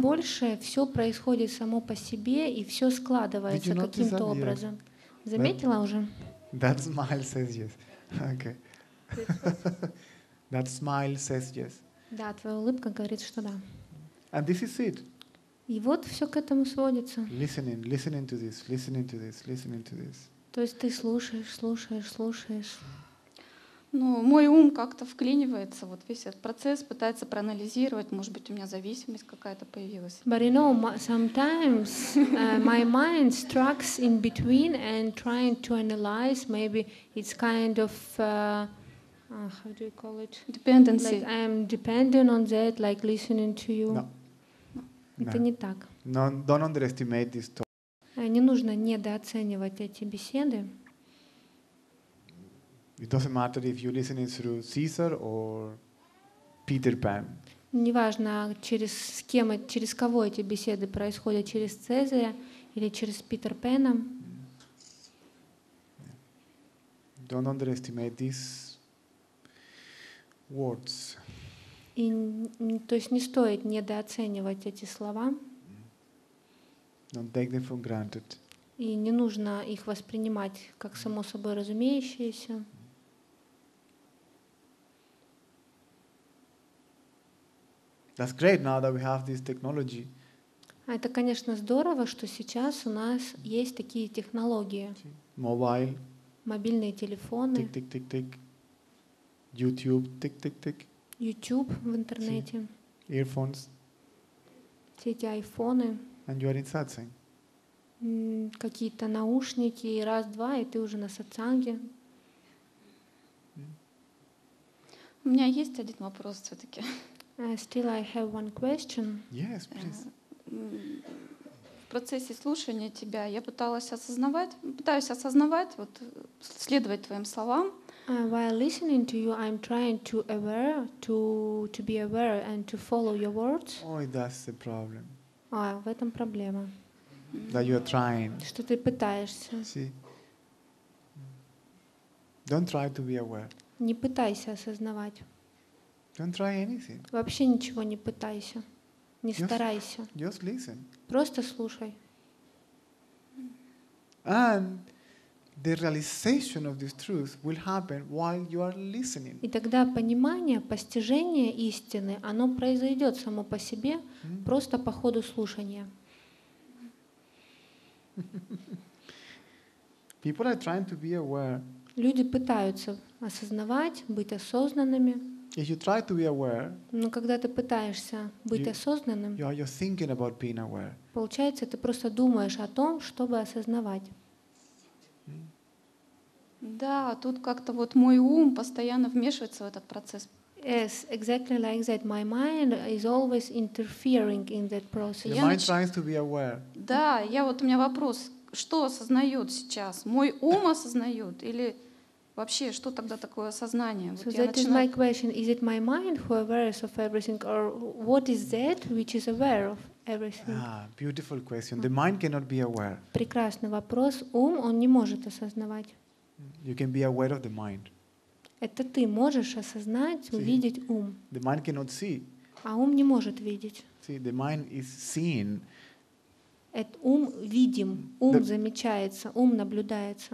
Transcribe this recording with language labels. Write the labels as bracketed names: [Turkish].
[Russian] больше все происходит само по себе и все складывается каким-то образом. [English] Yes. [Russian] Заметила уже? [English] That smile says yes. Okay. That smile says yes. [Russian] Да, твоя улыбка говорит, что да. [English] And this is it. [Russian] И вот все к этому сводится. [English] Listening to this, listening to this, listening to this. [Russian] То есть ты слушаешь. Ну, мой ум как-то вклинивается, вот весь этот процесс пытается проанализировать, может быть, у меня зависимость какая-то появилась. [English] But you know, sometimes my mind struts in between and trying to analyze, maybe it's kind of how do you call it? Dependency. Like I'm dependent on that, like listening to you. No. [Russian] Это не так. [English] No, don't underestimate this talk. [Russian] Не нужно недооценивать эти беседы. [English] It doesn't matter if you're listening through Caesar or Peter Pan. [Russian] Неважно, через с кем, через кого эти беседы происходят, через Цезаря или через Питер Пэна. [English] Don't underestimate these words. [Russian] И, то есть не стоит недооценивать эти слова. [English] Don't take them for granted. [Russian] И не нужно их воспринимать как само собой разумеющиеся. [English] That's great now that we have this technology. [Russian] Это, конечно, здорово, что сейчас у нас есть такие технологии. [English] Mobile. [Russian] Мобильные телефоны. Тик-тик-тик-тик. YouTube. Тик-тик-тик. YouTube в интернете. [English] Earphones. [Russian] Все эти айфоны. [English] And you are in satsang. [Russian] какие-то наушники, раз-два, и ты уже на сатсанге. У меня есть один вопрос все-таки. [English] Still I have one question. Yes, please. [Russian] В процессе слушания тебя я пытаюсь осознавать, вот следовать твоим словам. [English] While listening to you, I'm trying to aware, to be aware and to follow your words. Oh, that's the problem. [Russian] А, в этом проблема. [English] That you are trying. [Russian] Что ты пытаешься. [English] See? Don't try to be aware. [Russian] Не пытайся осознавать. [English] Don't try anything. [Russian] Вообще ничего не пытайся. Не [English] just, [Russian] старайся. [English] Just listen. [Russian] Просто слушай. [English] And the realization of this truth will happen while you are listening. [Russian] И тогда понимание, постижение истины, оно произойдет само по себе, mm-hmm. просто по ходу слушания. [English] People are trying to be aware. [Russian] Люди пытаются осознавать, быть осознанными. [English] If you try to be aware, [Russian] но когда ты пытаешься быть осознанным, [English] you are thinking about being aware. [Russian] Получается, ты просто думаешь о том, чтобы осознавать. Да, тут как-то вот мой ум постоянно вмешивается в этот процесс. [English] Yes, exactly like that. My mind is always interfering in that process. The mind tries to be aware. [Russian] Да, я вот у меня вопрос, что осознает сейчас? Мой ум осознает или вообще что тогда такое осознание? [English] So вот that is my question. Is it my mind who aware of everything or what is that which is aware of everything? Ah, beautiful question. The mind cannot be aware. [Russian] Прекрасный вопрос. Ум, он не может осознавать. [English] You can be aware of the mind. [Russian] Это ты можешь осознать, [English] see, [Russian] увидеть ум. [English] The mind cannot see. [Russian] А ум не может видеть. [English] See, the mind is seen. [Russian] Это ум видим, ум замечается, ум наблюдается.